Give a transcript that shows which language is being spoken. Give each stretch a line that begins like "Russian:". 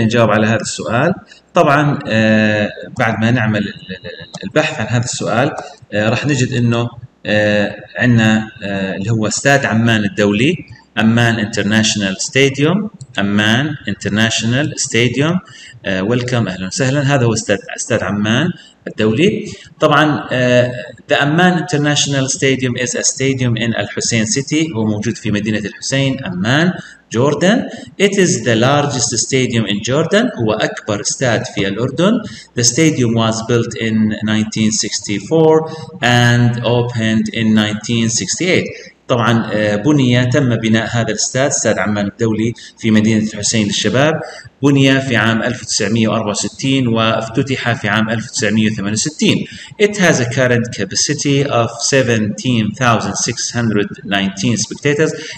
Arabic: خلينا نجاوب على هذا السؤال. طبعا بعد ما نعمل البحث عن هذا السؤال راح نجد انه عندنا اللي هو استاد عمان الدولي، عمان انترناشونال ستاديوم، عمان انترناشونال ستاديوم. ويلكم، اهلا وسهلا، هذا هو استاد عمان الدولي.
English: طبعا the Amman international stadium is a stadium in Al Hussein city,
Arabic: هو موجود في مدينه الحسين عمان
English: Jordan. It is the largest stadium in Jordan.
Arabic: هو أكبر استاد في الأردن.
English: The stadium was built in 1964 and opened in 1968.
Arabic: طبعا بني، تم بناء هذا الاستاد، استاد عمان الدولي في مدينة الحسين للشباب، بني في عام 1964 وافتتح في عام 1968.
English: It has a current capacity of 17,619 spectators.